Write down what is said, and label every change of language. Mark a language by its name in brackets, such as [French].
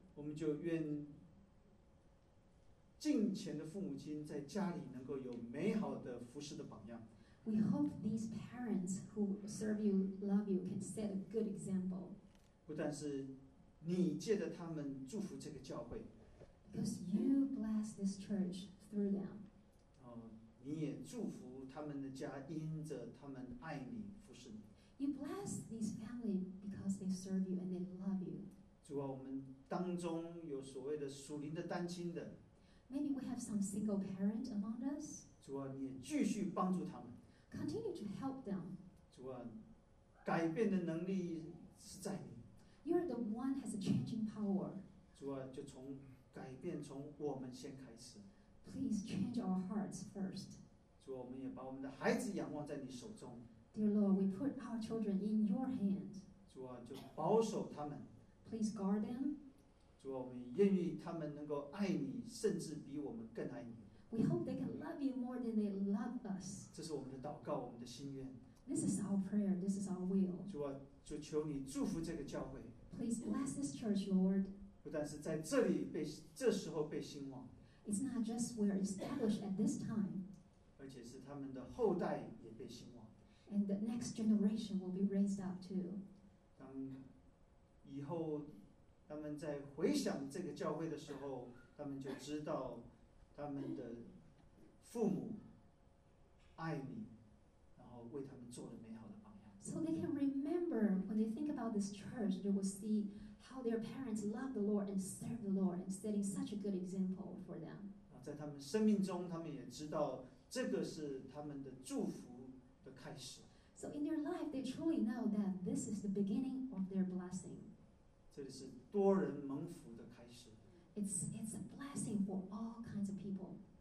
[Chinese] 我们就愿敬虔的父母亲在家里能够有美好的服事的榜样。 [English] We hope these parents who serve you, love you, can set a good example. [Chinese] 不但是你借着他们祝福这个教会。 [English] Because you bless this church through them. [Chinese] 你也祝福他们的家，因着他们爱你服事你。 [English] You bless these family because they serve you and they love you. [Chinese] 主啊，我们当中有所谓的属灵的单亲的。 [English] Maybe we have some single parent among us. [Chinese] 主啊，你也继续帮助他们。 [English] Continue to help them. [Chinese] 主啊，改变的能力是在你。 [English] You're the one has a changing power. [Chinese] 主啊，就从改变从我们先开始。 [English] Please change our hearts first. [Chinese] 主啊，我们也把我们的孩子仰望在你手中。 [English] Dear Lord, we put our children in your hand. [Chinese] 主啊，就保守他们。 [English] Please guard them. [Chinese] 主啊，我们愿意他们能够爱你，甚至比我们更爱你。 [English] We hope they can love you more than they love us. [Chinese] 这是我们的祷告，我们的心愿。 [English] This is our prayer. This is our will. [Chinese] 主啊，就求你祝福这个教会。 [English] Please bless this church, Lord. [Chinese] 不但是在这里被这时候被兴旺。 [English] It's not just we are established at this time. [Chinese] 而且是他们的后代也被兴旺。 [English] And the next generation will be raised up too. [Chinese] 当以后。他们在回想这个教会的时候，他们就知道他们的父母爱你，然后为他们做了美好的榜样。 [English] So they can remember when they think about this church, they will see how their parents love the Lord and serve the Lord and setting such a good example for them. [Chinese] 在他们生命中，他们也知道这个是他们的祝福的开始。 [English] So in their life, they truly know that this is the beginning of their blessing. [Chinese] 这里是多人蒙福的开始。 [English] It's a blessing for all kinds of people.